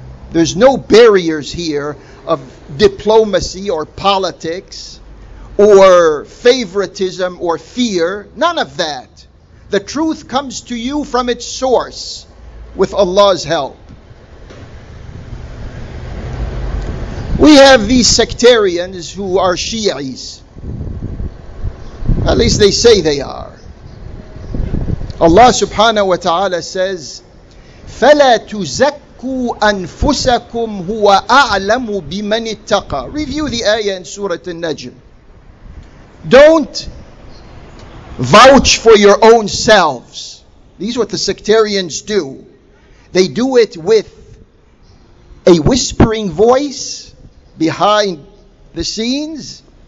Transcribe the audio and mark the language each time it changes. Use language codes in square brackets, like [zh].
[en] There's no barriers here of diplomacy or politics or favoritism or fear. None of that. The truth comes to you from its source with Allah's help. We have these sectarians who are Shi'is. At least they say they are. [ar] Allah subhanahu wa ta'ala says, فَلَا تُزَكُّوا أَنفُسَكُمْ هُوَ أَعْلَمُ بِمَنِ اتَّقَى. [en] Review the ayah in Surah An-Najm. Don't vouch for your own selves. These are what the sectarians do. They do it with a whispering voice behind the scenes.